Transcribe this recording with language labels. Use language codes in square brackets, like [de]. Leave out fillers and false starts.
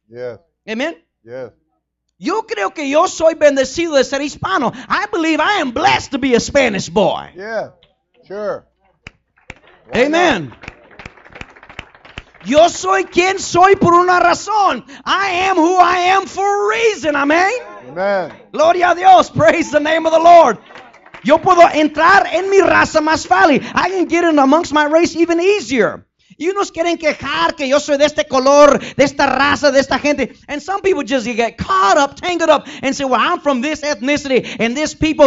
[en] Yeah. Amen. Yeah. [es] Yo creo que yo soy bendecido de ser hispano. [en] I believe I am blessed to be a Spanish boy. Yeah. Sure. Why Amen. Not? [es] Yo soy quien soy por una razón. [en] I am who I am for a reason. Amen. Amen. [es] Gloria a Dios. [en] Praise the name of the Lord. [es] Yo puedo entrar en mi raza más fácil. [en] I can get in amongst my race even easier. [es] Y unos quieren quejar que yo soy de este color, de esta raza, de esta gente. [en] And some people just get caught up, tangled up, and say, well, I'm from this ethnicity and this people.